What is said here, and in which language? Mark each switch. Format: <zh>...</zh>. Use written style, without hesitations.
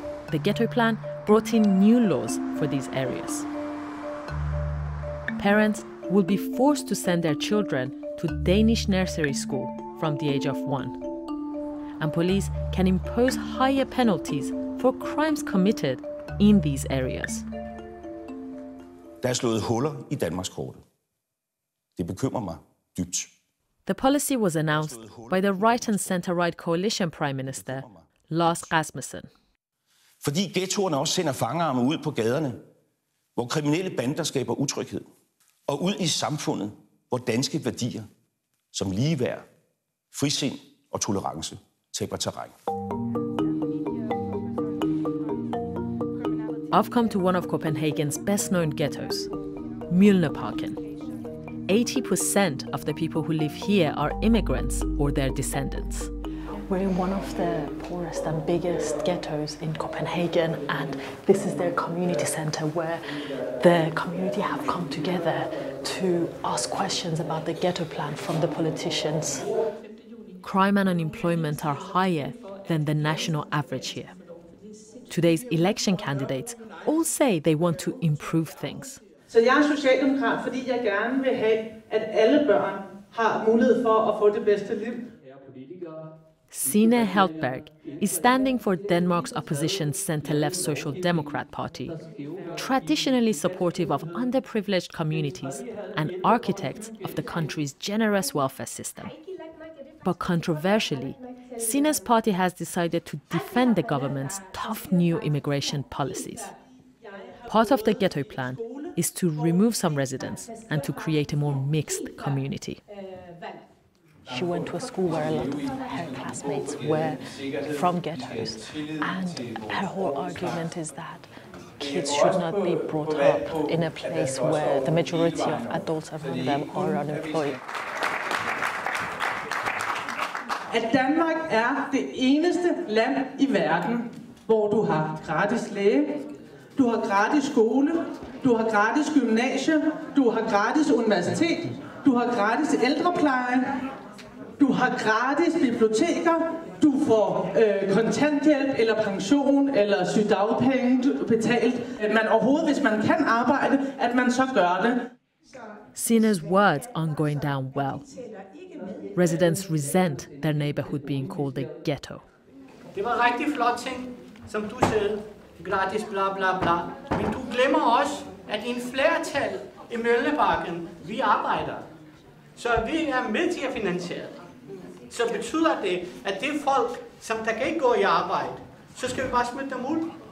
<en>The ghetto plan brought in new laws for these areas. Parents will be forced to send their children to Danish nursery school from the age of one. And police can impose higher penalties for crimes committed in these areas.</en> <da>Der er slået huller i Danmarks kort. Det bekymrer mig dybt.</da> <en>The policy was announced by the right and center-right coalition prime minister, Lars Rasmussen.</en> <da>Fordi ghettoerne også sender fangearme ud på gaderne, hvor kriminelle bander skaber utryghed, og ud i samfundet, hvor danske værdier, som ligeværd, frisind og tolerance, taber terræn.</da> <en>I've come to one of Copenhagen's best-known ghettos, Mjølnerparken. 80% of the people who live here are immigrants or their descendants. We're in one of the poorest and biggest ghettos in Copenhagen, and this is their community center where the community have come together to ask questions about the ghetto plan from the politicians. Crime and unemployment are higher than the national average here. Today's election candidates all say they want to improve things.</en> <da>Så jeg er socialdemokrat, fordi jeg gerne vil have, at alle børn har mulighed for at få det bedste liv.</da> <en>Sine Heltberg is standing for Denmark's opposition center-left Social Democrat Party, traditionally supportive of underprivileged communities and architects of the country's generous welfare system. But controversially, Sine's party has decided to defend the government's tough new immigration policies. Part of the ghetto plan is to remove some residents and to create a more mixed community. She went to a school where a lot of her classmates were from ghettos. And her whole argument is that kids should not be brought up in a place where the majority of adults around them are unemployed.</en> <da>At Danmark er det eneste land i verden, hvor du har gratis læge, du har gratis skole, du har gratis gymnasie, du har gratis universitet, du har gratis ældrepleje, du har gratis biblioteker, du får kontanthjælp eller pension eller sygedagpenge betalt. Man overhovedet, hvis man kan arbejde, at man så gør det.</da> <en>Sina's words aren't going down well. Residents resent their neighborhood being called a ghetto.</en> <da>Det var rigtig flot ting, som du sagde, gratis bla bla bla. Men du glemmer også, at en flertal i Mjølnerparken, vi arbejder. Så vi er med til at finansiere. Så betyder det, at det er folk, som der kan ikke gå i arbejde, så skal vi bare smide dem ud.</da>